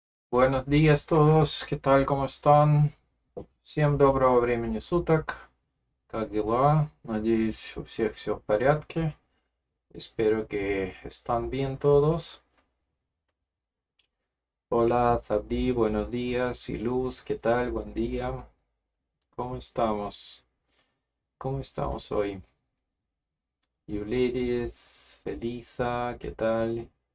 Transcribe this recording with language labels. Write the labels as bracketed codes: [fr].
[es] Buenos días todos, ¿qué tal? ¿Cómo están? [ru] Всем доброго времени суток. Как дела? Надеюсь, у всех все в порядке. [es] Espero que están bien todos. Hola, Sabdi, buenos días. Y Luz, ¿qué tal? Buen día. ¿Cómo estamos? ¿Cómo estamos hoy? Yulidis, Felisa, ¿qué tal?